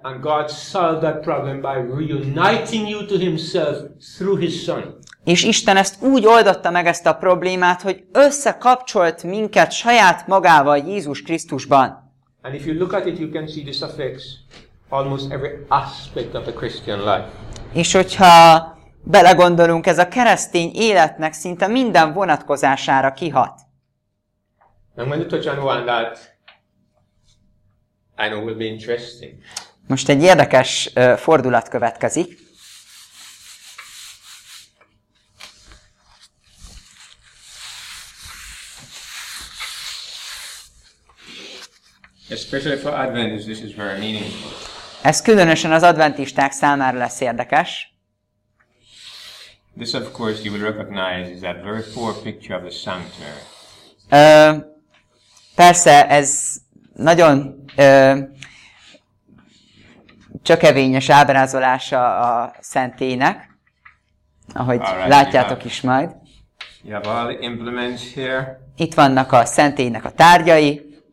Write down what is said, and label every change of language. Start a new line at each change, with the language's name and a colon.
English: And God solved that problem by reuniting you to himself through his son.
Hungarian: És Isten ezt úgy oldotta meg ezt a problémát, hogy összekapcsolt minket saját magával Jézus Krisztusban.
English: And if you look at it, you can see this affects almost every aspect of the Christian life.
Hungarian: És hogyha belegondolunk, ez a keresztény életnek szinte minden vonatkozására kihat.
English: I'm going to touch on one that I know will be interesting.
Hungarian: Most egy érdekes fordulat következik.
English: Especially for Adventists, this is very meaningful.
Hungarian: Ez különösen az adventisták számára lesz érdekes.
English: This, of course, you will recognize is that very poor picture of the sanctuary.
Hungarian: Persze, ez nagyon csökevényes ábrázolása a szentélynek, ahogy
English: right,
Hungarian: látjátok is majd.
English: You have all the implements here.
Hungarian: Itt vannak a szentélynek a tárgyai.